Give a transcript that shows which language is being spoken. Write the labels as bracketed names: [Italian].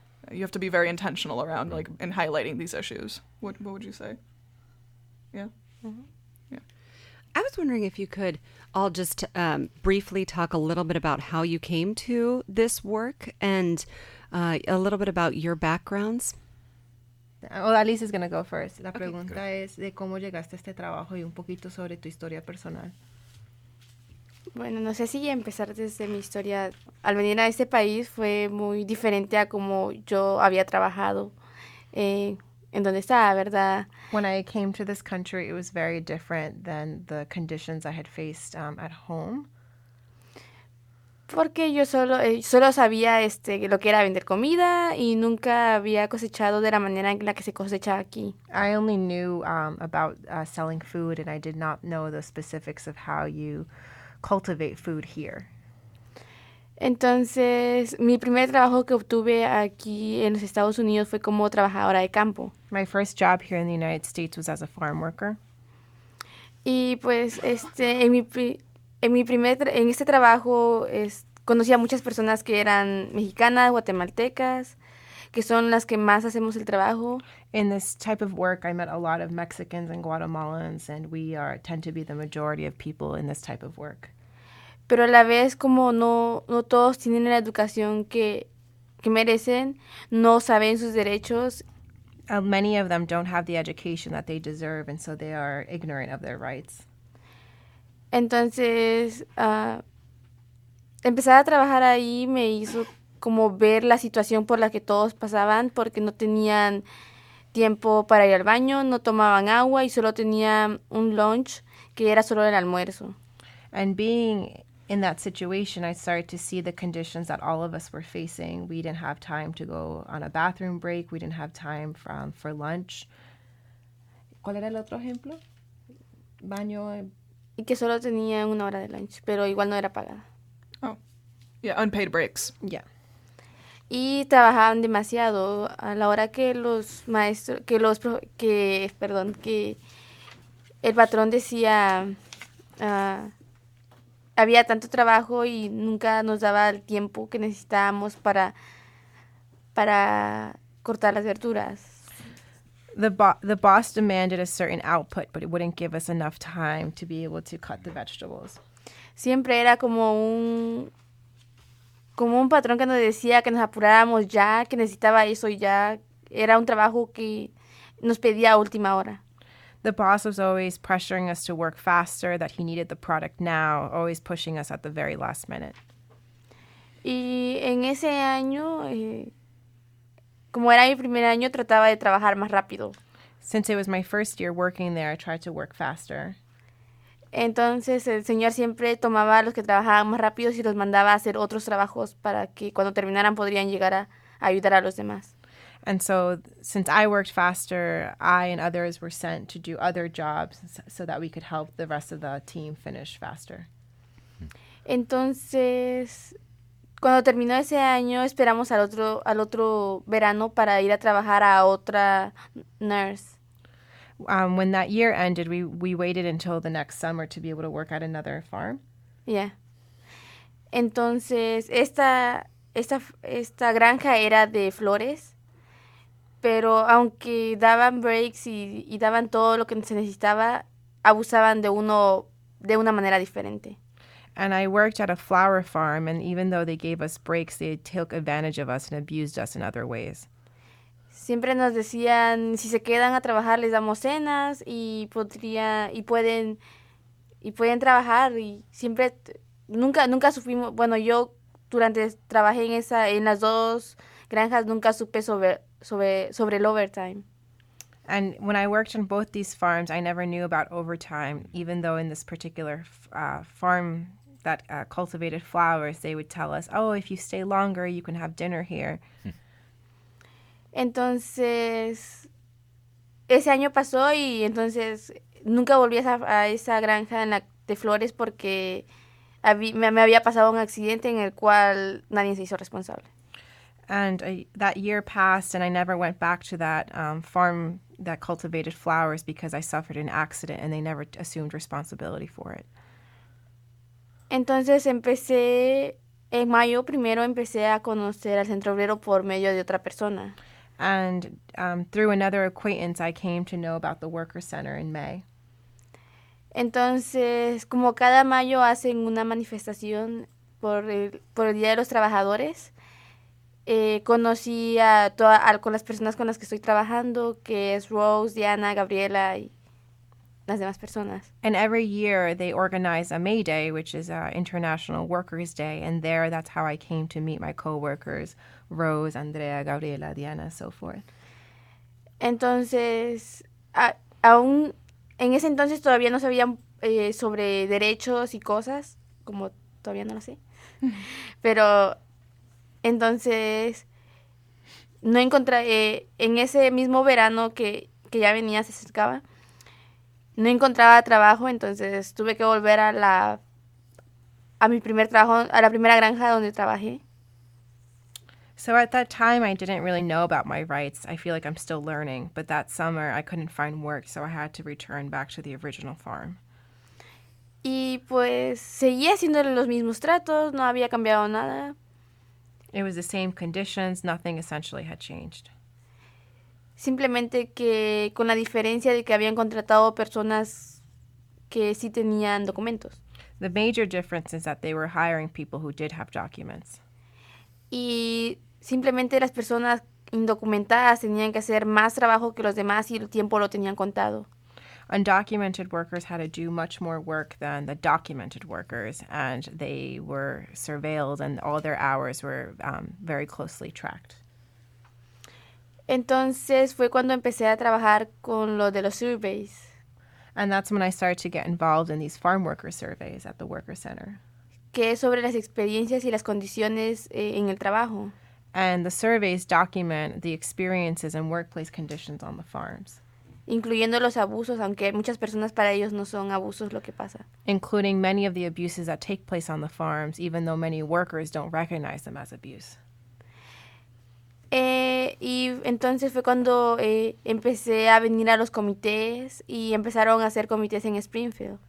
[English] You have to be very intentional around, right, like in highlighting these issues. What would you say? Yeah. Mm-hmm. Yeah. I was wondering if you could all just briefly talk a little bit about how you came to this work and a little bit about your backgrounds. Hodaliz is going to go first. [Spanish] La pregunta es de cómo llegaste a este trabajo y un poquito sobre tu historia personal. Bueno, no sé si empezar desde mi historia. Al venir a este país fue muy diferente a como yo había trabajado en donde estaba, ¿verdad? [English] When I came to this country, it was very different than the conditions I had faced at home. [Spanish] Porque yo solo sabía lo que era vender comida y nunca había cosechado de la manera en la que se cosecha aquí. [English] I only knew about selling food and I did not know the specifics of how you cultivate food here. [Spanish] Entonces, mi primer trabajo que obtuve aquí en los Estados Unidos fue como trabajadora de campo. [English] My first job here in the United States was as a farm worker. [Spanish] Y pues en este trabajo conocí a muchas personas que eran mexicanas, guatemaltecas, que son las que más hacemos el trabajo. [English] In this type of work, I met a lot of Mexicans and Guatemalans, and we tend to be the majority of people in this type of work. [Spanish] Pero a la vez, como no todos tienen la educación que merecen, no saben sus derechos. [English] Many of them don't have the education that they deserve, and so they are ignorant of their rights. [Spanish] Entonces, empezar a trabajar ahí me hizo como ver la situación por la que todos pasaban, porque no tenían tiempo para ir al baño, no tomaban agua y solo tenían un lunch que era solo el almuerzo. [English] And being in that situation, I started to see the conditions that all of us were facing. We didn't have time to go on a bathroom break. We didn't have time for lunch. [Spanish] ¿Cuál era el otro ejemplo? Baño. Y que solo tenía una hora de lunch, pero igual no era pagada. [English] Oh, yeah, unpaid breaks. Yeah. [Spanish] Y trabajaban demasiado a la hora que los maestros, que el patrón decía, había tanto trabajo y nunca nos daba el tiempo que necesitábamos para cortar las verduras. [English] The boss demanded a certain output, but it wouldn't give us enough time to be able to cut the vegetables. [Spanish] Siempre era como un patrón que nos decía que nos apuráramos ya, que necesitaba eso y ya. Era un trabajo que nos pedía a última hora. [English] The boss was always pressuring us to work faster, that he needed the product now, always pushing us at the very last minute. [Spanish] Y en ese año, como era mi primer año, trataba de trabajar más rápido. [English] Since it was my first year working there, I tried to work faster. [Spanish] Entonces el señor siempre tomaba a los que trabajaban más rápido y los mandaba a hacer otros trabajos para que cuando terminaran podrían llegar a ayudar a los demás. [English] And so since I worked faster, I and others were sent to do other jobs so that we could help the rest of the team finish faster. [Spanish] Entonces, cuando terminó ese año, esperamos al otro verano para ir a trabajar a otra nurse. [English] When that year ended, we waited until the next summer to be able to work at another farm. Yeah. [Spanish] Entonces, esta granja era de flores, pero aunque daban breaks y daban todo lo que se necesitaba, abusaban de una manera diferente. [English] And I worked at a flower farm, and even though they gave us breaks, they took advantage of us and abused us in other ways. [Spanish] Siempre nos decían, si se quedan a trabajar, les damos cenas y pueden trabajar. Y siempre, nunca supimos, bueno, yo durante trabajé en las dos granjas, nunca supe sobre el overtime. [English] And when I worked on both these farms, I never knew about overtime, even though in this particular farm that cultivated flowers, they would tell us, oh, if you stay longer, you can have dinner here. [Spanish] Entonces, ese año pasó y entonces nunca volví a esa granja de flores porque me había pasado un accidente en el cual nadie se hizo responsable. [English] And that year passed and I never went back to that farm that cultivated flowers because I suffered an accident and they never assumed responsibility for it. [Spanish] Entonces empecé, en mayo primero empecé a conocer al centro obrero por medio de otra persona. [English] And through another acquaintance, I came to know about the worker center in May. [Spanish] Entonces, como cada mayo hacen una manifestación por el Día de los Trabajadores, conocí con las personas con las que estoy trabajando, que es Rose, Diana, Gabriela y las demás personas. [English] And every year they organize a May Day, which is International Workers' Day, and there that's how I came to meet my coworkers, Rose, Andrea, Gabriela, Diana, so forth. [Spanish] Entonces, aún en ese entonces todavía no sabían sobre derechos y cosas, como todavía no lo sé. Pero entonces no encontré en ese mismo verano que ya venía se acercaba. No encontraba trabajo, entonces tuve que volver a la primera granja donde trabajé. [English] So at that time, I didn't really know about my rights. I feel like I'm still learning. But that summer, I couldn't find work, so I had to return back to the original farm. [Spanish] Y pues, seguía haciéndole los mismos tratos, no había cambiado nada. [English] It was the same conditions, nothing essentially had changed. [Spanish] Simplemente que con la diferencia de que habían contratado personas que sí tenían documentos. [English] The major difference is that they were hiring people who did have documents. [Spanish] Y simplemente las personas indocumentadas tenían que hacer más trabajo que los demás y el tiempo lo tenían contado. [English] Undocumented workers had to do much more work than the documented workers, and they were surveilled and all their hours were very closely tracked. [Spanish] Entonces fue cuando empecé a trabajar con lo de los surveys. [English] And that's when I started to get involved in these farm worker surveys at the worker center. [Spanish] Que es sobre las experiencias y las condiciones en el trabajo. [English] And the surveys document the experiences and workplace conditions on the farms. [Spanish] Incluyendo los abusos, aunque muchas personas para ellos no son abusos lo que pasa. [English] Including many of the abuses that take place on the farms, even though many workers don't recognize them as abuse. [Spanish] Y entonces fue cuando empecé a venir a los comités y empezaron a hacer comités en Springfield.